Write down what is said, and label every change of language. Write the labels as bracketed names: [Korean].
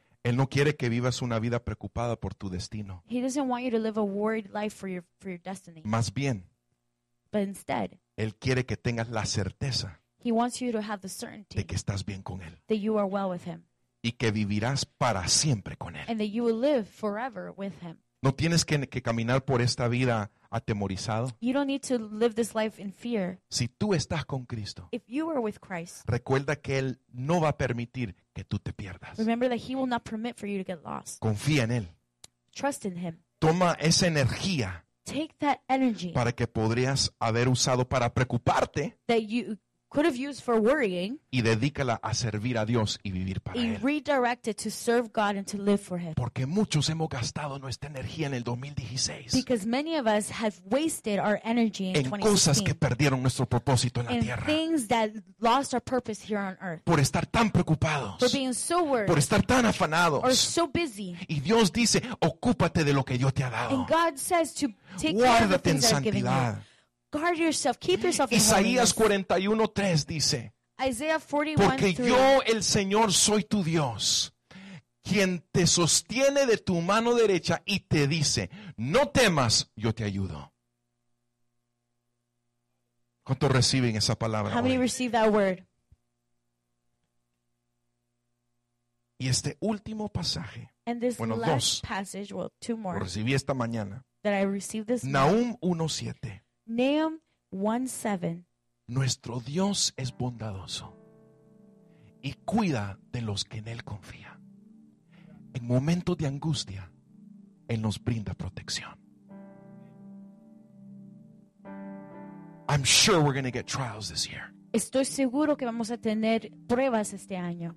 [Spanish] Él no quiere que vivas una vida preocupada por tu destino. [English] He doesn't want you to live a worried life for your destiny. [Spanish] Más bien. [English] But instead. [Spanish] Él quiere que tengas la certeza. [English] He wants you to have the certainty. [Spanish] De que estás bien con Él. [English] That you are well with Him. [Spanish] Y que vivirás para siempre con Él. [English] And that you will live forever with Him. [Spanish] No tienes que caminar por esta vida atemorizado. [English] You don't need to live this life in fear. [Spanish] Si tú estás con Cristo. [English] If you are with Christ. [Spanish] Recuerda que Él no va a permitir que tú te pierdas. [English] Remember that He will not permit for you to get lost. [Spanish] Confía en Él. [English] Trust in Him. [Spanish] Toma esa energía. [English] Take that energy. [Spanish] Para que podrías haber usado para preocuparte. [English] That you could have used for worrying. [Spanish] Y dedícala a servir a Dios y vivir para Él. [English] And redirect it to serve God and to live for Him. [Spanish] Porque muchos hemos gastado nuestra energía en el 2016. [English] Because many of us have wasted our energy in 2016. [Spanish] En cosas que perdieron nuestro propósito en la tierra. [English] In things that lost our purpose here on earth. [Spanish] Por estar tan preocupados. [English] For being so worried. [Spanish] Por estar tan afanados. [English] Or so busy. [Spanish] Y Dios dice, ocúpate de lo que yo te ha dado. [English] And God says to take care of the things that I've given you. Guard yourself, keep yourself in holiness. [Spanish] Isaías 41:3 dice, [English] Isaiah 41:3, [Spanish] porque yo, el Señor, soy tu Dios, quien te sostiene de tu mano derecha y te dice, no temas, yo te ayudo. ¿Cuántos reciben esa palabra? [English] How many receive that word? [Spanish] Y este último pasaje, [English] and this [Spanish] bueno, [English] last passage, well, two more, [Spanish] lo recibí esta mañana, [English] that I received this [Spanish] Nahum 1:7. [English] Nahum 1:7. [Spanish] Nuestro Dios es bondadoso y cuida de los que en Él confía. En momentos de angustia, Él nos brinda protección. [English] I'm sure we're going to get trials this year. [Spanish] Estoy seguro que vamos a tener pruebas este año.